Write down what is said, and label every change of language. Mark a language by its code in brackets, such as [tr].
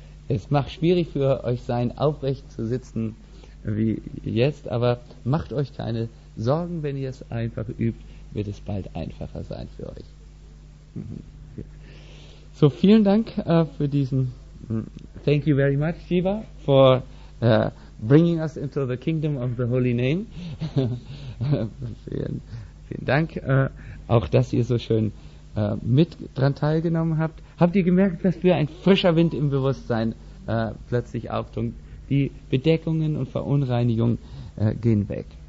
[de] Es mag schwierig für euch sein, aufrecht zu sitzen wie jetzt, aber macht euch keine Sorgen, wenn ihr es einfach übt, wird es bald einfacher sein für euch. So, vielen Dank für diesen. [en] Thank you very much, Shiva, for bringing us into the kingdom of the holy name. [de] vielen Dank, auch dass ihr so schön mit dran teilgenommen habt. Habt ihr gemerkt, dass wir ein frischer Wind im Bewusstsein plötzlich auftun? Die Bedeckungen und Verunreinigungen gehen weg.